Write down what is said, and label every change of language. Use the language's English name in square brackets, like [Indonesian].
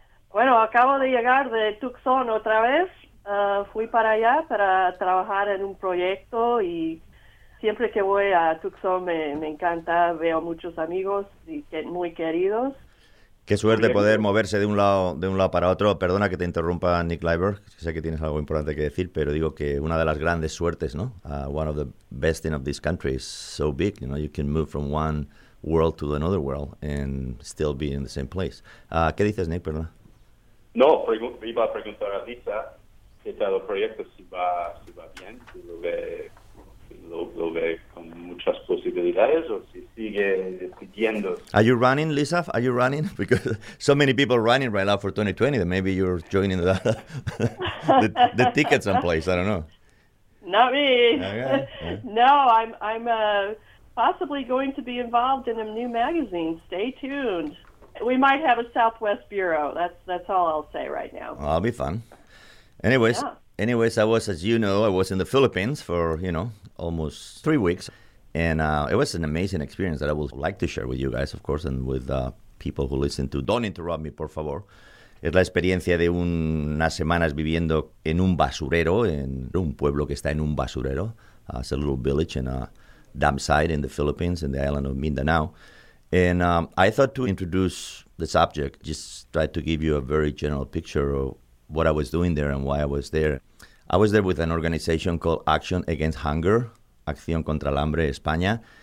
[Spanish] Bueno, acabo de llegar de Tucson otra vez. Fui para allá para trabajar en un proyecto y siempre que voy a Tucson me encanta. Veo muchos amigos y muy queridos. Qué suerte poder moverse de un lado para otro. Perdona que te interrumpa, Nick Leiber. Sé que tienes algo importante que decir, pero digo que una de las grandes suertes, ¿no? [English] One of the best in of this country is so big. You know, you can move from one world to another world and still be in the same place. [Spanish] ¿Qué dices, Nick? Perdona. No, iba a preguntar a Lisa qué tal el proyecto, si va bien, si lo ve con muchas posibilidades o si sigue siguiendo. [English] Are you running, Lisa? Are you running? Because so many people running right now for 2020 that maybe you're joining the ticket someplace. I don't know. Not me. No, I'm possibly going to be involved in a new magazine. Stay tuned. We might have a Southwest Bureau. That's all I'll say right now. Well, that'll be fun. Anyways, I was, as you know, I was in the Philippines for, you know, almost 3 weeks. And it was an amazing experience that I would like to share with you guys, of course, and with people who listen to Don't Interrupt Me, Por Favor. [Spanish] Es la experiencia de unas semanas viviendo en un basurero, en un pueblo que está en un basurero. [English] It's a little village in a dump site in the Philippines, in the island of Mindanao. And I thought to introduce the subject, just try to give you a very general picture of what I was doing there and why I was there. I was there with an organization called Action Against Hunger, Acción Contra el Hambre España.